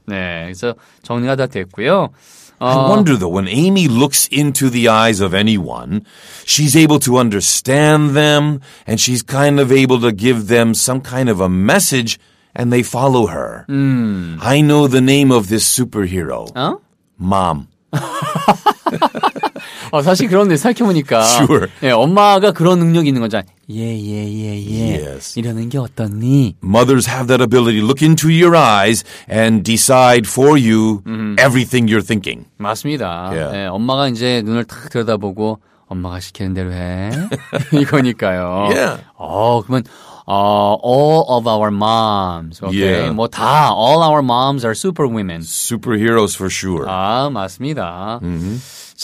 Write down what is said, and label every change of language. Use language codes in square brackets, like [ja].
[ko] 네, 그래서 정리가 다 됐고요. [en] I wonder though, when Amy looks into the eyes of anyone, she's able to understand them, and she's kind of able to give them some kind of a message, and they follow her. I know the name of this superhero. [ko] 어? [en] Mom. [ko] 어, 사실 그런데 살펴보니까 [en] sure. [ko] 예, 엄마가 그런 능력이 있는 거잖아요. 예. 이러는 게 어떻니? [en] Mothers have that ability to look into your eyes and decide for you everything you're thinking. [ko] 맞습니다. [en] Yeah. [ko] 예, 엄마가 이제 눈을 탁 들여다보고 엄마가 시키는 대로 해. 이거니까요. [en] Yeah. [ko] 그러면 [en] All of our moms. Okay. Yeah. [ko] 뭐 다. [en] All our moms are super women. Superheroes for sure. [ko] 아, 맞습니다. [en] Mm-hmm.